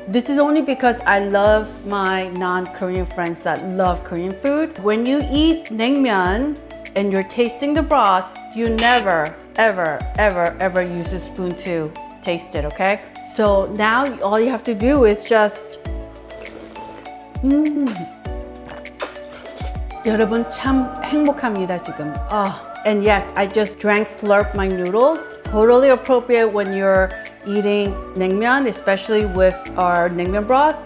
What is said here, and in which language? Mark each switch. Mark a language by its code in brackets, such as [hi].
[en] This is only because I love my non-Korean friends that love Korean food. When you eat 냉면 and you're tasting the broth, you never, ever, ever, ever use a spoon to taste it, okay? So now all you have to do is just... [ko] 여러분, 참 행복합니다, 지금. [en] And yes, I just drank slurp my noodles. Totally appropriate when you're eating 냉면, especially with our 냉면 broth.